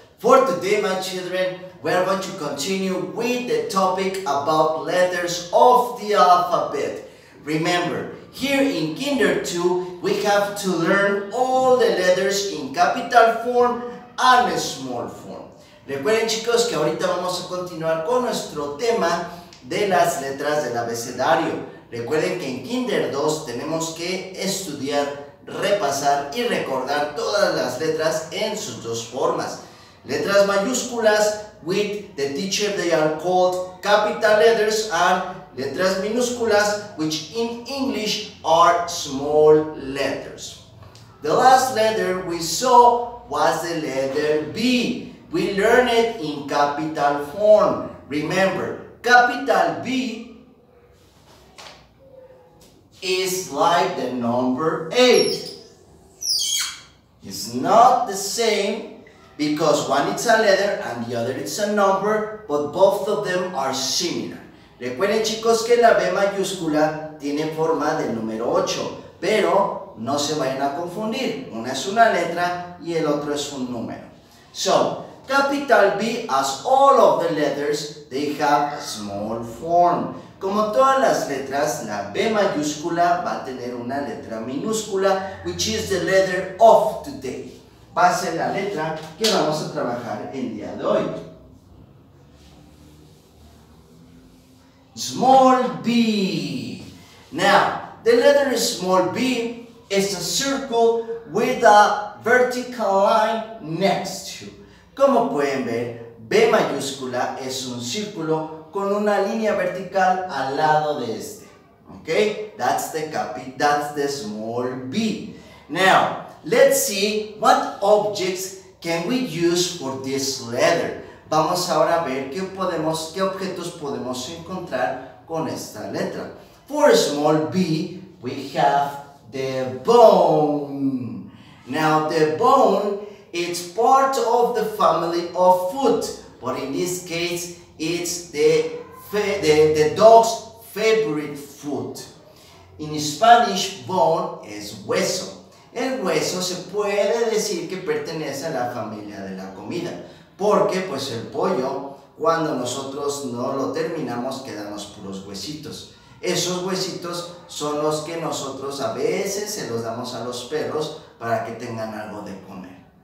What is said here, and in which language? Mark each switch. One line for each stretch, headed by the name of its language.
English: For today, my children, we are going to continue with the topic about letters of the alphabet. Remember, here in Kinder 2, we have to learn all the letters in capital form and small form.
Spanish: Recuerden, chicos, que ahorita vamos a continuar con nuestro tema de las letras del abecedario. Recuerden que en Kinder 2 tenemos que estudiar, repasar y recordar todas las letras en sus dos formas.
English: Letras mayúsculas, with the teacher they are called capital letters, and letras minúsculas, which in English are small letters. The last letter we saw was the letter B. We learned it in capital form. Remember, capital B is like the number 8. It's not the same because one is a letter and the other is a number, but both of them are similar.
Spanish: Recuerden, chicos, que la B mayúscula tiene forma de número 8, pero no se vayan a confundir. Una es una letra y el otro es un número.
English: So, capital B, as all of the letters, they have a small form.
Spanish: Como todas las letras, la B mayúscula va a tener una letra minúscula,
English: which is the letter of today.
Spanish: Va a ser la letra que vamos a trabajar el día de hoy.
English: Small B. Now, the letter small B is a circle with a vertical line next to.
Spanish: Como pueden ver, B mayúscula es un círculo con una línea vertical al lado de este.
English: Okay? That's the small B. Now, let's see what objects can we use for this letter.
Spanish: Vamos ahora a ver qué objetos podemos encontrar con esta letra.
English: For small B, we have the bone. Now, the bone, it's part of the family of foot, but in this case, it's the dog's favorite foot. In Spanish, bone es hueso.
Spanish: El hueso se puede decir que pertenece a la familia de la comida, porque pues el pollo, cuando nosotros no lo terminamos, quedamos puros huesitos. Esos huesitos son los que nosotros a veces se los damos a los perros para que tengan algo de comer.